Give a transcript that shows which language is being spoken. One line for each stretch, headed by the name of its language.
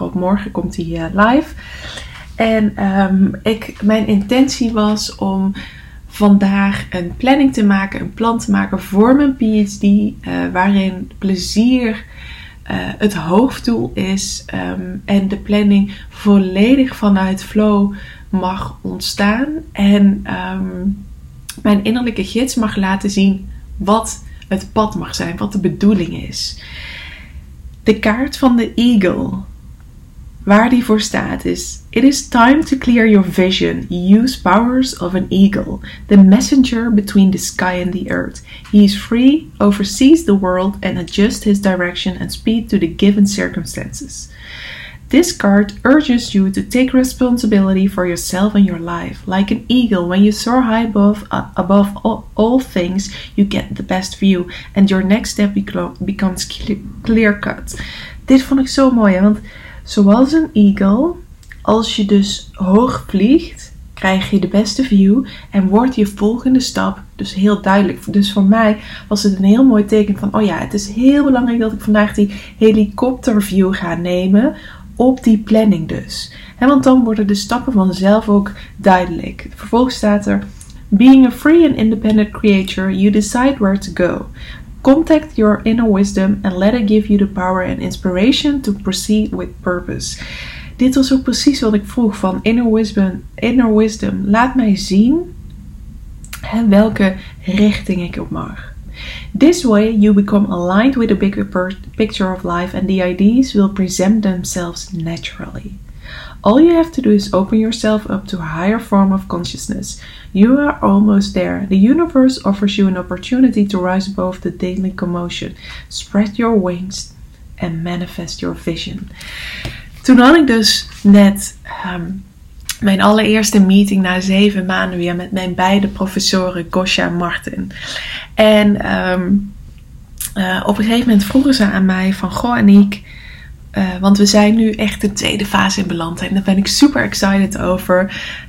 Dutch: Op morgen komt die live. En mijn intentie was om vandaag een planning te maken, een plan te maken voor mijn PhD, waarin plezier het hoofddoel is en de planning volledig vanuit flow mag ontstaan en mijn innerlijke gids mag laten zien wat het pad mag zijn, wat de bedoeling is. De kaart van de Eagle, waar die voor staat, is:
English: it is time to clear your vision. Use powers of an eagle, the messenger between the sky and the earth. He is free, oversees the world and adjusts his direction and speed to the given circumstances. This card urges you to take responsibility for yourself and your life. Like an eagle, when you soar high above all things, you get the best view and your next step becomes clear-cut.
Dutch: Dit vond ik zo mooi, hè? Want zoals een eagle, als je dus hoog vliegt, krijg je de beste view en wordt je volgende stap dus heel duidelijk. Dus voor mij was het een heel mooi teken van, oh ja, het is heel belangrijk dat ik vandaag die helikopterview ga nemen op die planning dus. En want dan worden de stappen vanzelf ook duidelijk. Vervolgens staat er:
English: being a free and independent creator, you decide where to go. Contact your inner wisdom and let it give you the power and inspiration to proceed with purpose.
Dutch: Dit was ook precies wat ik vroeg van inner wisdom. Laat mij zien en welke richting ik op mag.
English: This way you become aligned with the bigger picture of life and the ideas will present themselves naturally. All you have to do is open yourself up to a higher form of consciousness. You are almost there. The universe offers you an opportunity to rise above the daily commotion. Spread your wings and manifest your vision.
Dutch: Toen had ik dus net mijn allereerste meeting na 7 maanden weer met mijn beide professoren Gosha en Martin. En op een gegeven moment vroegen ze aan mij van, goh Aniek, want we zijn nu echt de tweede fase in beland en daar ben ik super excited over.